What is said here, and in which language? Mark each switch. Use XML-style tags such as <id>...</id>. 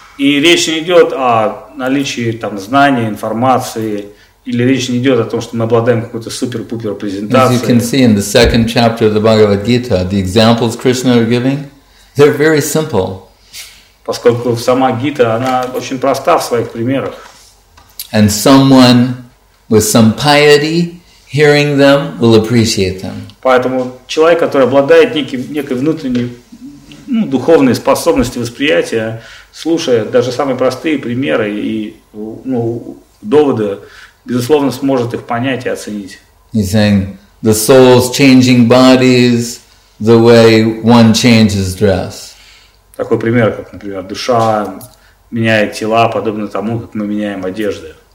<ru>И речь не идет о наличии там знания, информации, или речь не идет о том, что мы обладаем какой-то супер-пупер презентацией.</ru> <en>As you can see in the second chapter of the Bhagavad Gita, the examples Krishna are giving, they're very simple.</en> <ru>Поскольку сама Гита, она очень проста в своих примерах.</ru> <en>And someone with some piety hearing them will appreciate them.</en> <ru>Поэтому человек, который обладает некой внутренней духовной способностью восприятия, слушая даже самые простые примеры и доводы, безусловно, сможет их понять и оценить.</ru> <en>He's saying the soul's changing bodies the way one changes dress.</en> <ru>Такой пример, как, например, душа меняет тела, подобно тому, как мы меняем одежды.</ru>